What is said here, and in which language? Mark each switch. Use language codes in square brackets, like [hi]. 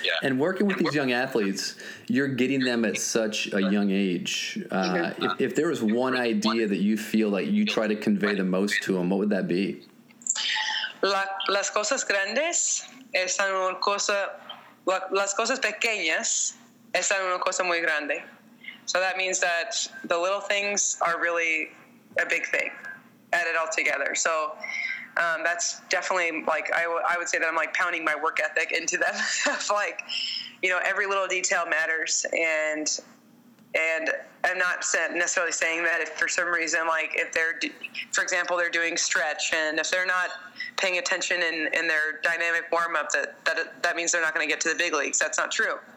[en] And working with these young athletes, you're getting them at such a young age. If there was one idea that you feel like you try to convey the most to them, what would that be? [es] Las cosas grandes están una cosa. Las cosas pequeñas están una cosa muy grande. [en] So that means that the little things are really a big thing. Add it all together. So. That's definitely like, I would say that I'm like pounding my work ethic into them. Like, you know, every little detail matters, and I'm not necessarily saying that if for some reason, like if they're, for example, they're doing stretch and if they're not paying attention in their dynamic warm-up, that means they're not going to get to the big leagues. That's not true.